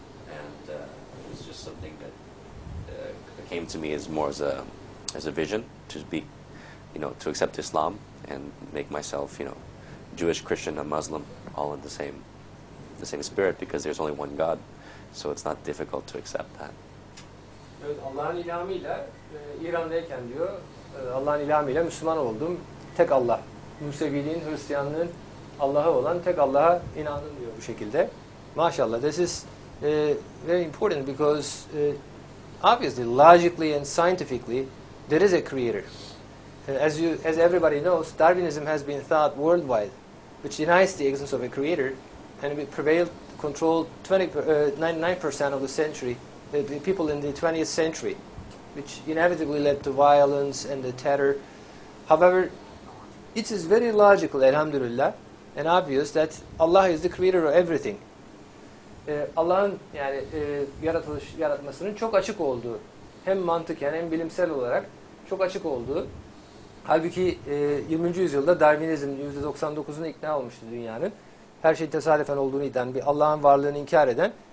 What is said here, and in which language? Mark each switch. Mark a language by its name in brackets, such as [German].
[English] And it was just something that came to me as more as a vision to be, you know, to accept Islam and make myself, you know, Jewish, Christian, a Muslim, all in the same spirit, because there's only one God. So it's not difficult to accept that. [Turkish] Evet, Allah'ın ilhamıyla İran'dayken diyor, Allah'ın ilhamıyla Müslüman oldum. Tek Allah. Museviliğin, Hristiyanlığın Allah'a olan tek Allah'a inandım diyor bu şekilde. [English] MashaAllah, this is very important because obviously, logically and scientifically, there is a creator. As everybody knows, Darwinism has been thought worldwide, which denies the existence of a creator, and it prevailed controlled 99% of the century, the people in the 20th century, which inevitably led to violence and the terror. However, it is very logical, alhamdulillah, and obvious that Allah is the creator of everything. [Turkish] Allah'ın yani yaratmasının çok açık olduğu, hem mantıken hem bilimsel olarak çok açık olduğu. Halbuki 20. yüzyılda Darwinizm %99'unu ikna olmuştu dünyanın. Her şey tesadüfen olduğunu iddian, bir Allah'ın varlığını inkar eden.